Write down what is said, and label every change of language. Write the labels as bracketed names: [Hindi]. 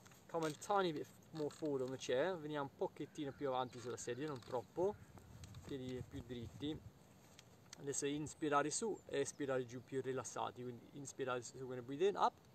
[English] Come a tiny bit more forward on the chair. [Italian] Veniamo un pochettino più avanti sulla sedia, non troppo. Piedi più dritti. Adesso inspirare su e espirare giù più rilassati. Quindi inspirare su, [English] we're going to breathe in, up.